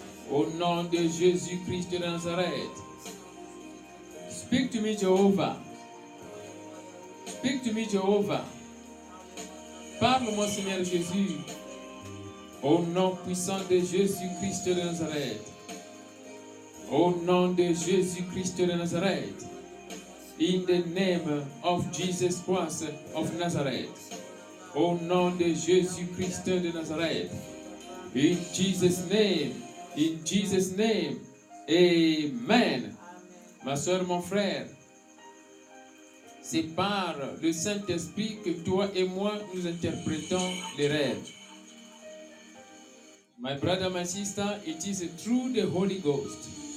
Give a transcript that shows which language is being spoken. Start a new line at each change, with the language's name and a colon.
French: Au nom de Jésus-Christ de Nazareth.
English: Speak to me, Jehovah. Speak to me, Jehovah.
French: Parle-moi, Seigneur Jésus. Au nom puissant de Jésus-Christ de Nazareth. Au nom de Jésus-Christ de Nazareth,
English: in the name of Jesus Christ of Nazareth.
French: Au nom de Jésus-Christ de Nazareth.
English: In Jesus' name, Amen.
French: Ma soeur, mon frère, c'est par le Saint-Esprit que toi et moi nous interprétons les rêves.
English: My brother, my sister, it is through the Holy Ghost.